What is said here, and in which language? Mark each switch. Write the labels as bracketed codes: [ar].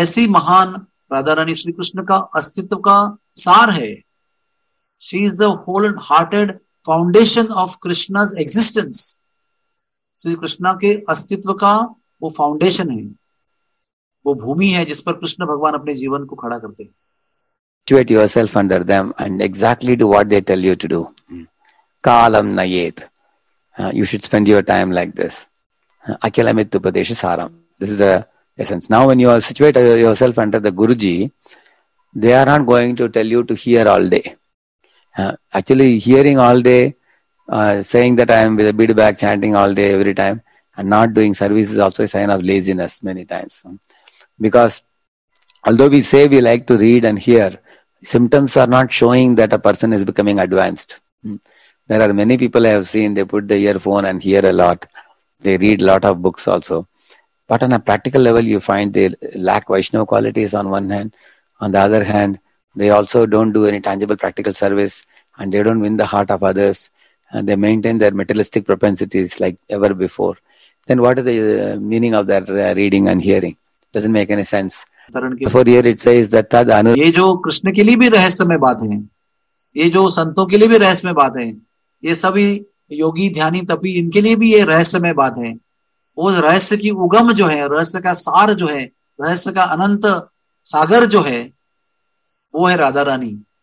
[hi] ऐसी महान राधा रानी श्री कृष्ण का अस्तित्व का सार है। [en] She is the whole hearted foundation of Krishna existence. [hi] Shri Krishna के अस्तित्व का वो फाउंडेशन है, वो भूमि है जिस पर कृष्ण भगवान अपने जीवन को खड़ा करते हैं। [en] Situate yourself under them and exactly do what they tell you to do. [sa] Kalam nayet. [en] You should spend your time like this. [sa] Akilamit upadesha saram. [en] This is the essence. Now when you are situate yourself under the Guruji, they are not going to tell you to hear all day. Actually hearing all day, saying that I am with a bead bag chanting all day every time and not doing service is also a sign of laziness many times. Because although we say we like to read and hear, symptoms are not showing that a person is becoming advanced. There are many people I have seen, they put the earphone and hear a lot. They read a lot of books also. But on a practical level, you find they lack Vaishnava qualities on one hand. On the other hand, they also don't do any tangible practical service and they don't win the heart of others. And they maintain their materialistic propensities like ever before. Then what is the meaning of their reading and hearing? Doesn't make any sense. [hi] ये जो कृष्ण के लिए भी रहस्यमय बात है, ये जो संतों के लिए भी रहस्यमय बात है, ये सभी योगी ध्यानी तपी इनके लिए भी ये रहस्यमय बात है। उस रहस्य की उगम जो है, रहस्य का सार जो है, रहस्य का अनंत सागर जो है, वो है राधा रानी।